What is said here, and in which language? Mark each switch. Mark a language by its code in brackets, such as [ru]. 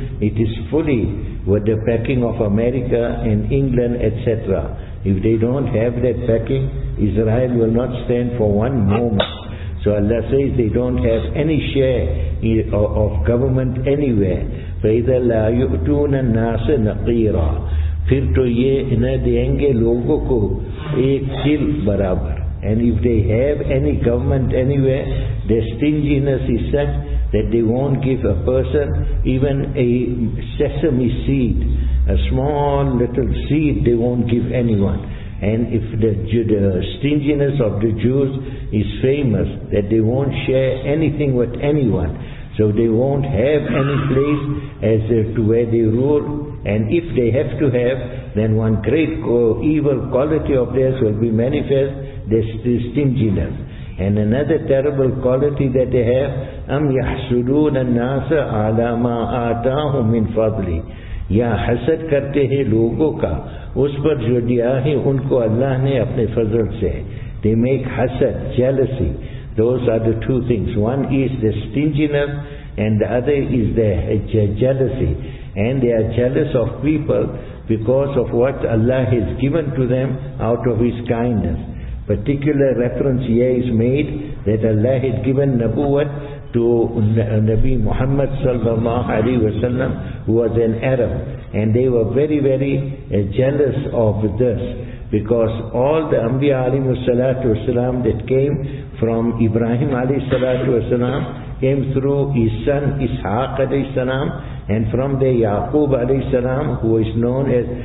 [en] It is fully with the backing of America and England, etc. If they don't have that backing, Israel will not stand for one moment. So Allah says they don't have any share of government anywhere. [ar] فَإِذَا لَا يُؤْتُونَ النَّاسَ نَقِيرًا. [ur] پھر تو یہ انہیں دیں گے لوگوں کو ایک سل برابر. [en] And if they have any government anywhere, their stinginess is such that they won't give a person even a sesame seed, a small little seed they won't give anyone. And if the stinginess of the Jews is famous, that they won't share anything with anyone, so they won't have any place as to where they rule. And if they have to have, then one great evil quality of theirs will be manifest, their stinginess. And another terrible quality that they have, [ar] أَمْ يَحْسُدُونَ النَّاسَ عَلَى مَا آتَاهُمْ مِنْ فَضْلِ. [ur] یا حسد کرتے ہیں لوگوں کا اس پر جو دیا ہے ان کو اللہ نے اپنے فضل سے. [en] They make حسد, jealousy. Those are the two things. One is the stinginess and the other is the jealousy. And they are jealous of people because of what Allah has given to them out of His kindness. Particular reference here is made that Allah had given Nabuwat to Nabi Muhammad sallallahu alaihi wasallam, who was an Arab, and they were very, very jealous of this, because all the Anbiya alayhi salatu wasalam that came from Ibrahim alayhi salatu wasalam came through his son Ishaq alayhi salam, and from the Yaqub alayhi salam, who is known as